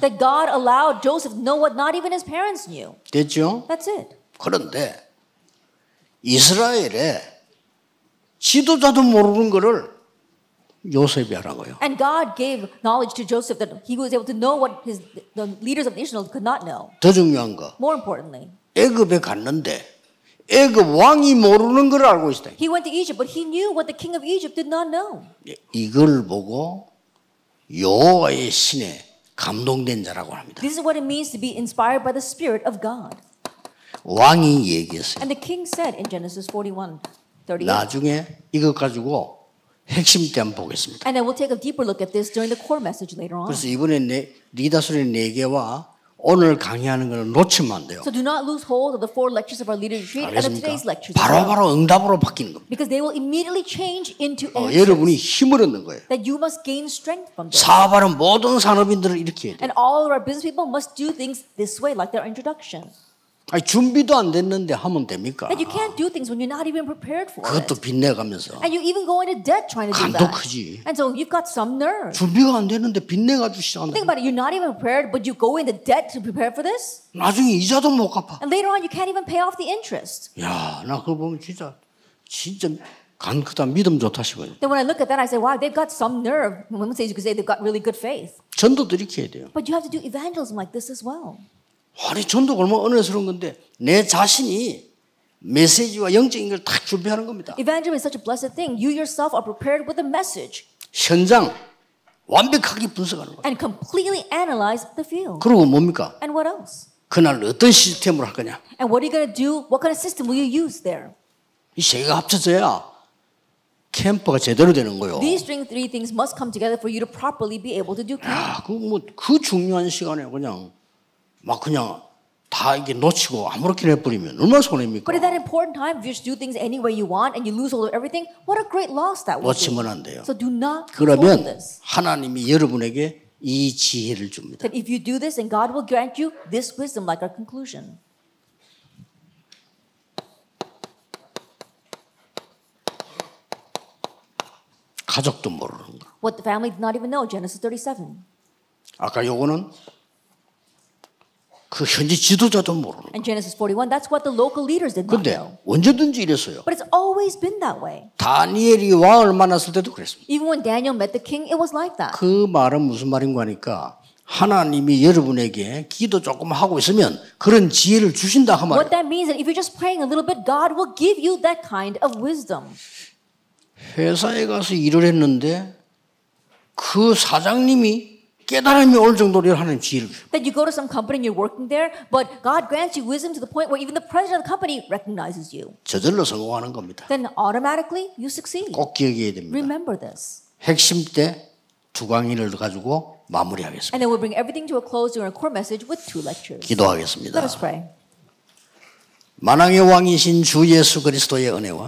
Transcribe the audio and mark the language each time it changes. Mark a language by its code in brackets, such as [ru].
[en] That God allowed Joseph to know what not even his parents knew. [ko] 됐죠? [en] That's it. [ko] 그런데 이스라엘에 지도자도 모르는 거를 요셉이 하라고요. [en] And God gave knowledge to Joseph that he was able to know what his the leaders of Israel could not know. [ko] 더 중요한 거. [en] More importantly. [ko] 애굽에 갔는데 애굽 왕이 모르는 걸 알고 있어요. [en] He went to Egypt but he knew what the king of Egypt did not know. [ko] 이걸 보고 여호와의 신에 감동된 자라고 합니다. [en] This is what it means to be inspired by the spirit of God. [ko] 왕이 얘기했어요. [en] And the king said in Genesis 41:38. [ko] 나중에 이것 가지고 핵심 때한 보겠습니다. [en] And then we'll take a deeper look at this during the core message later on. [ko] 그래서 이번에 리더스의 네 개와 오늘 강의하는 걸 놓치면 안 돼요. [en] So do not lose hold of the four lectures of our leader retreat and of today's lectures. [ko] 바로 응답으로 바뀌는 겁니다. [en] Because they will immediately change into answers. [ko] 여러분이 힘을 얻는 거예요. [en] That you must gain strength from this. [ko] 사업하는 모든 산업인들을 이렇게 해야 돼요. [en] And all of our business people must do things this way, like their introduction. [ko] 아니, 준비도 안 됐는데 하면 됩니까? [en] And you can't do things when you're not even prepared for it. [ko] 그것도 빚내가면서. [en] And you even go into debt trying to do that. [ko] 간도 크지. [en] And so you've got some nerve. [ko] 준비가 안 됐는데 빚내가지고 시작한다. [en] Think about it. You're not even prepared, but you go into debt to prepare for this? [ko] 나중에 이자도 못 갚아. [en] And later on, you can't even pay off the interest. [ko] 야, 나 그거 보면 진짜 간 크다, 믿음 좋다 싶어요. [en] Then when I look at that, I say, wow, they've got some nerve. When someone says, you could say they've got really good faith. [ko] 전도도 이렇게 해야 돼요. [en] But you have to do evangelism like this as well. [ko] 아니 전도가 얼마나 은혜스러운 건데 내 자신이 메시지와 영적인 걸 다 준비하는 겁니다. [en] Evangelism is such a blessed thing. You yourself are prepared with a message. [ko] 현장 완벽하게 분석하는 거. [en] And completely analyze the field. [ko] 그리고 뭡니까? [en] And what else? [ko] 그날 어떤 시스템으로 할 거냐? [en] And what are you going to do? What kind of system will you use there? [ko] 이 세 개가 합쳐져야 캠프가 제대로 되는 거요. [en] These three things must come together for you to properly be able to do camp. [ko] 아, 그 중요한 시간에 그냥 막 그냥 다 이게 놓치고 아무렇게 내버리면 얼마나 손해입니까? [en] But at that important time, if you just do things any way you want and you lose all of everything, what a great loss that would be. [ko] 놓치면 안 돼요. [en] So do not. [ko] 그러면 [en] this. [ko] 하나님이 여러분에게 이 지혜를 줍니다. [en] That if you do this, and God will grant you this wisdom, like our conclusion. [ko] 가족도 모르는 거. [en] What the family did not even know, Genesis 37. [ko] 아까 요거는. 그 현지 지도자도 모르는. [en] And Genesis 41, that's what the local leaders did not know. [ko] 근데 언제든지 이랬어요. [en] But it's always been that way. [ko] 다니엘이 왕을 만났을 때도 그랬습니다. [en] Even when Daniel met the king, it was like that. [ko] 그 말은 무슨 말인가 하니까 하나님이 여러분에게 기도 조금 하고 있으면 그런 지혜를 주신다 하 말. [en] What that means is if you're just praying a little bit, God will give you that kind of wisdom. [ko] 회사에 가서 일을 했는데 그 사장님이 깨달음이 올 정도로 하나님 지혜를 주십니다. [en] That you go to some company and you're working there, but God grants you wisdom to the point where even the president of the company recognizes you. [ko] 저절로 성공하는 겁니다. [en] Then automatically you succeed. [ko] 꼭 기억해야 됩니다. [en] Remember this. [ko] 핵심 때 두 강의를 가지고 마무리하겠습니다. [en] And then we'll bring everything to a close during our core message with two lectures. [ko] 기도하겠습니다. [en] Let us pray. [ko] 만왕의 왕이신 주 예수 그리스도의 은혜와